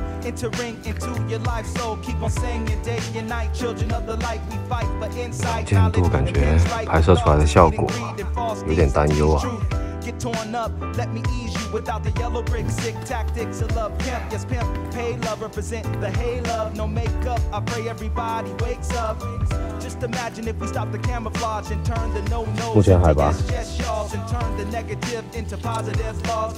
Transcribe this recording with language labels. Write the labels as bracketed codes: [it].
[en] entering into your life. So keep on saying it day and night, children of the light, we fight for inside. [zh] 监督感觉拍摄出来的效果有点担忧啊。 [en] Get torn up, let me ease you without the yellow brick. Sick tactics of love, pimp, yes pimp, pay love, represent the hay love. No makeup, I pray everybody wakes up. Just imagine if we stop the camouflage and turn the no-nos into yes y'alls and turn the negative into positive laws.